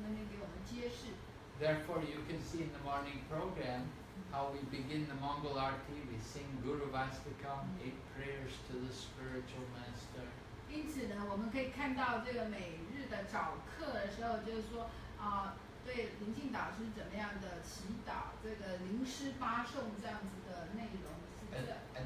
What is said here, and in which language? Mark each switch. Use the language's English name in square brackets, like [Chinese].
[Chinese] 那如果是说对灵性导师有信心，而且是这样子的乖巧顺从的话，那这个真理会从灵性导师那边给我们揭示。 [English] Therefore, you can see in the morning program how we begin the Mangal Arti. We sing Guru Vastikam, eight prayers to the spiritual master. [Chinese] 因此呢，我们可以看到这个每日的早课的时候，就是说，对灵性导师怎么样的祈祷，这个灵师八颂这样子的内容，是的。 [English] And